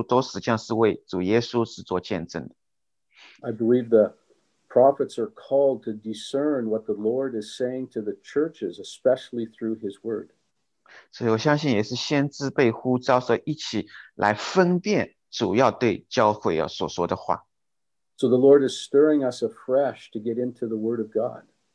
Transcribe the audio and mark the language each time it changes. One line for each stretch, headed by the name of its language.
Chinese: 我相信整本圣经的每一卷书都实际上是为主耶稣是做见证的。
English: I believe the prophets are called to discern what the Lord is saying to the churches, especially through His Word.
Chinese: 所以我相信也是先知被呼召说一起来分辨主要对教会要所说的话。
English: So the Lord is stirring us afresh to get into the Word of God.